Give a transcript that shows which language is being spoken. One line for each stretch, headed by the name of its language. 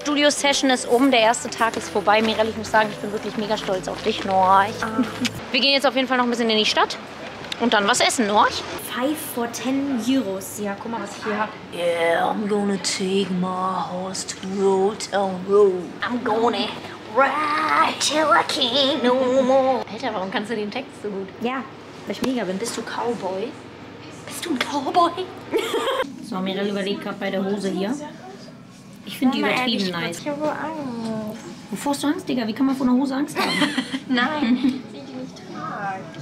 German: Session ist um, der erste Tag ist vorbei. Mirelle, ich muss sagen, ich bin wirklich mega stolz auf dich, Norch. Wir gehen jetzt auf jeden Fall noch ein bisschen in die Stadt und dann was essen, Norch.
English: 5 for 10 euros.
German: Ja, guck mal, was ich hier habe.
English: Yeah, I'm gonna take my horse to road on road. I'm gonna ride till I can't no more.
German: Alter, warum kannst du den Text so gut? Ja, weil ich mega bin. Bist du Cowboy? Bist du ein Cowboy? So, Mirelle überlegt gerade bei der Hose hier. Ich finde die übertrieben ehrlich, nice. Ich hab wohl Angst. Wovor hast du Angst, Digga? Wie kann man vor einer Hose Angst haben? Nein, die ich nicht trage.